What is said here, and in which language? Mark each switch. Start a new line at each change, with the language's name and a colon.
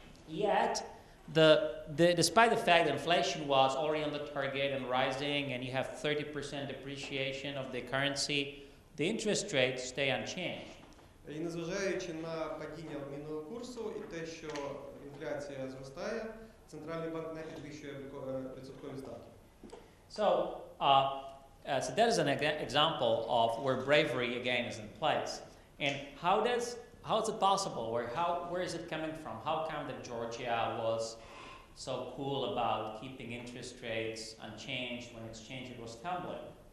English: Yet, despite the fact that inflation was already on the target and rising, and you have 30% depreciation of the currency, the interest rates stay unchanged.
Ukrainian: І незважаючи на падіння обмінного курсу і те, що інфляція зростає, центральний банк не підвищує відсоткові ставки.
English: So that is an example of where bravery again is in place. And how is it possible? Where is it coming from? How come that Georgia was so cool about keeping interest rates unchanged when exchange rate was tumbling?